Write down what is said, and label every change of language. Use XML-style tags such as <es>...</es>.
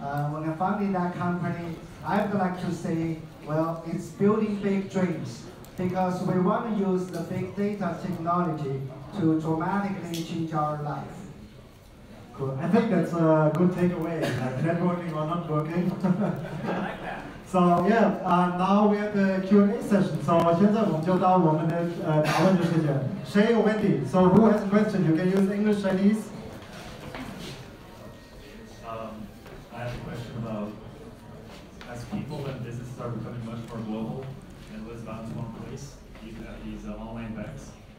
<en>When I founded that company, I would like to say, well, it's building big dreams, because we want to use the big data technology to dramatically change our life. Cool. I think that's a good takeaway, networking or not working. So yeah, now we have the Q&A session.</en> <zh>So 现在我们就到我们的讨论的时间。</zh> <en>Shay or Wendy, so who has a question? You can use English, Chinese. I have a question about, as people and businesses are becoming much more global and less bound to one place, you've got these online banks.</en>